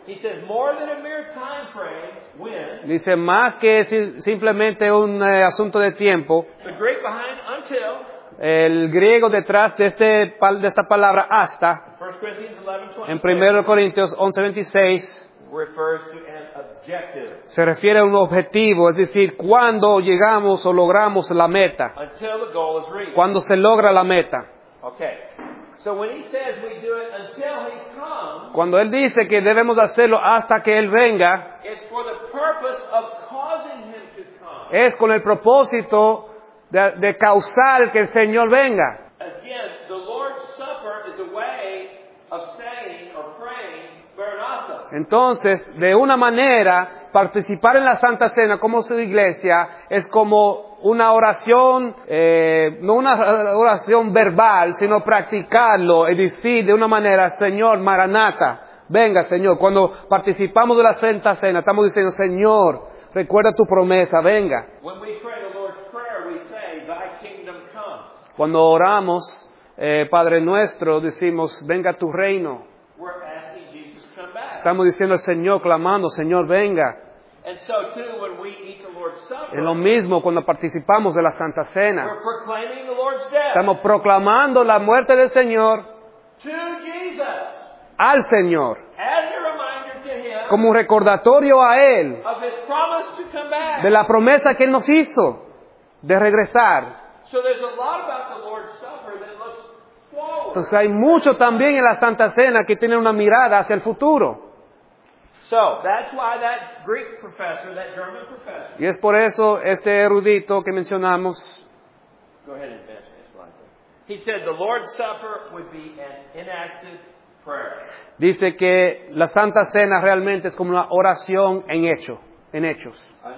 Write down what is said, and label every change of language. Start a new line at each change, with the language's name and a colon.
English: He says more than a mere time frame, when.
Spanish: Dice más que simplemente un asunto de tiempo.
English: The Greek behind until.
Spanish: El griego detrás de este de esta palabra hasta.
English: 1 Corinthians 11:26.
Spanish: En 1 Corinthians 11:26.
English: Refers to an objective.
Spanish: Se refiere a un objetivo, es decir, cuando llegamos o logramos la meta.
English: Until the goal is reached.
Spanish: Cuando se logra la meta.
English: Okay. So when he says we do it until he comes,
Spanish: cuando él dice que debemos hacerlo hasta que él venga,
English: it's for the purpose of causing him to come.
Spanish: Es con el propósito de causar que el Señor venga.
English: Again, the Lord's Supper is a way of saying or praying, Maranatha.
Spanish: Entonces, de una manera, participar en la Santa Cena como su iglesia es como una oración, no una oración verbal, sino practicarlo y decir de una manera, Señor, Maranatha, venga, Señor. Cuando participamos de la Santa Cena, estamos diciendo, Señor, recuerda tu promesa, venga.
English: When we pray the Lord's Prayer, we say, Thy kingdom come.
Spanish: Cuando oramos, Padre nuestro, decimos, venga tu reino.
English: We're asking Jesus to come back.
Spanish: Estamos diciendo al Señor, clamando, Señor, venga.
English: And so too, when we eat the Lord's Supper,
Spanish: es lo mismo cuando participamos de la Santa Cena.
English: We're proclaiming the Lord's death.
Spanish: Estamos proclamando la muerte del Señor
English: to Jesus,
Spanish: al Señor,
English: as a reminder to him,
Spanish: como un recordatorio a Él
English: of his promise to come back,
Spanish: de la promesa que Él nos hizo de regresar.
English: So there's a lot about the Lord's Supper that looks forward.
Spanish: Entonces hay mucho también en la Santa Cena que tiene una mirada hacia el futuro.
English: So that's why that Greek professor, that German professor.
Spanish: Y es por eso este erudito que mencionamos.
English: Go ahead and advance my slide. He said the Lord's Supper would be an inactive prayer.
Spanish: Dice que la Santa Cena realmente es como una oración en hecho, en hechos.